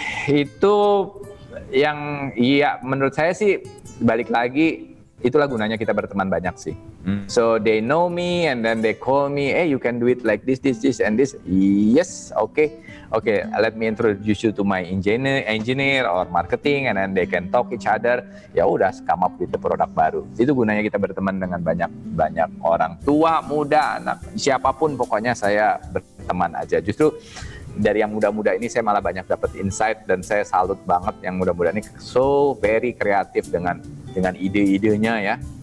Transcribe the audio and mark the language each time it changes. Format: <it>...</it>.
<id>Itu yang iya menurut saya sih balik lagi itulah gunanya kita berteman banyak sih.</id> <en>So they know me and then they call me, hey you can do it like this, this, this and this. Yes, okay. Let me introduce you to my engineer or marketing and then they can talk each other.</en> <id>Ya udah,</id> <en>come up with the product baru.</en> <id>Itu gunanya kita berteman dengan banyak orang tua, muda, anak, siapapun pokoknya saya berteman aja. Justru dari yang muda-muda ini saya malah banyak dapat insight dan saya salut banget yang muda-muda ini so very kreatif dengan ide-idenya ya.</id>